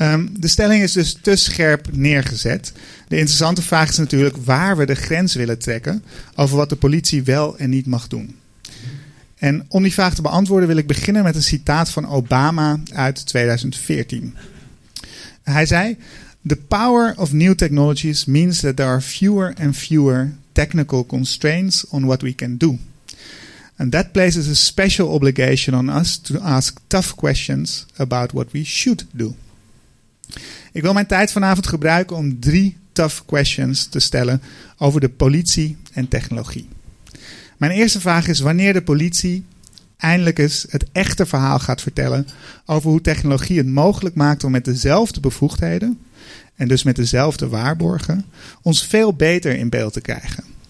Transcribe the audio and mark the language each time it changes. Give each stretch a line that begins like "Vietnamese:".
Dutch: De stelling is dus te scherp neergezet. De interessante vraag is natuurlijk waar we de grens willen trekken over wat de politie wel en niet mag doen. En om die vraag te beantwoorden wil ik beginnen met een citaat van Obama uit 2014. Hij zei:
English: "The power of new technologies means that there are fewer and fewer technical constraints on what we can do. And that places a special obligation on us to ask tough questions about what we should do."
Dutch: Ik wil mijn tijd vanavond gebruiken om 3
English: tough questions
Dutch: te stellen over de politie en technologie. Mijn eerste vraag is wanneer de politie eindelijk eens het echte verhaal gaat vertellen over hoe technologie het mogelijk maakt om met dezelfde bevoegdheden en dus met dezelfde waarborgen ons veel beter in beeld te krijgen.